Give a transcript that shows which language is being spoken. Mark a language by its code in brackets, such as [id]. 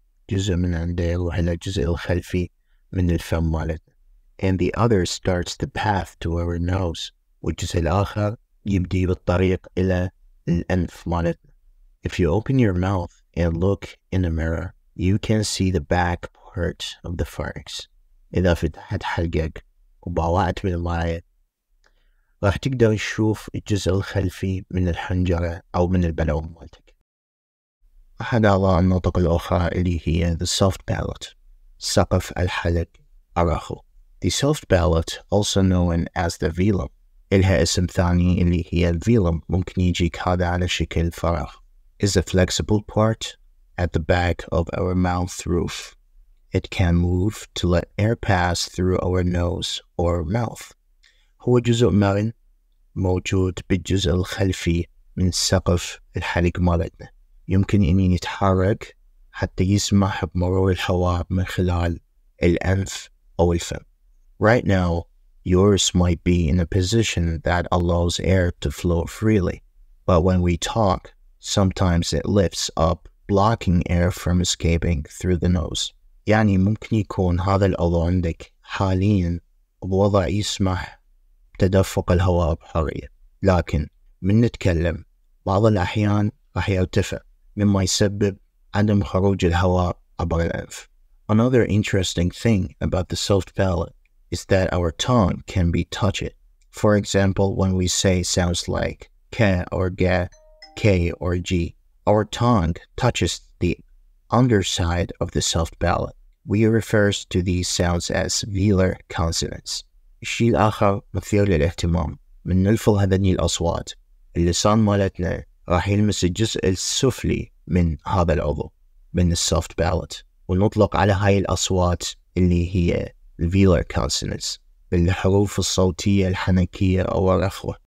[ar] جزء من عنده يروح إلى الجزء الخلفي من الفم مالت. [en] And the other starts the path to our nose. [ar] والجزء الآخر يبدي بالطريق إلى الأنف مالت. [en] If you open your mouth and look in the mirror, you can see the back part of the pharynx. [ar] إذا فتحت حلقك وبوعت من المراية راح تقدر تشوف الجزء الخلفي من الحنجرة أو من البلعوم مالتك. أحد أعضاء النطق الأخرى اللي هي the soft palate سقف الحلق الرخو. [en] The soft palate also known as the velum [ar] إلها اسم ثاني اللي هي velum ممكن يجيك هذا على شكل فراغ [en] is a flexible part at the back of our mouth roof. It can move to let air pass through our nose or mouth. [ar] هو جزء مرن موجود بالجزء الخلفي من سقف الحلق مالتنا. يمكن أن يتحرك حتى يسمح بمرور الهواء من خلال الأنف أو الفم. [en] Right now, yours might be in a position that allows air to flow freely. But when we talk, sometimes it lifts up, blocking air from escaping through the nose. [ar] يعني ممكن يكون هذا العضو عندك حالياً بوضع يسمح بتدفق الهواء بحرية. لكن من نتكلم بعض الأحيان راح يرتفع مما يسبب عدم خروج الهواء عبر الأنف. [en] Another interesting thing about the soft palate is that our tongue can be touched. For example, when we say sounds like ك or ج, K or G, our tongue touches the underside of the soft palate. We refer to these sounds as velar consonants. [ar] الشيء الآخر مثير للاهتمام من نلفظ هذني الأصوات. اللسان مالتنا راح يلمس الجزء السفلي من هذا العضو من soft palate ونطلق على هاي الأصوات اللي هي velar consonants بالحروف الصوتية الحنكية أو الرخوة.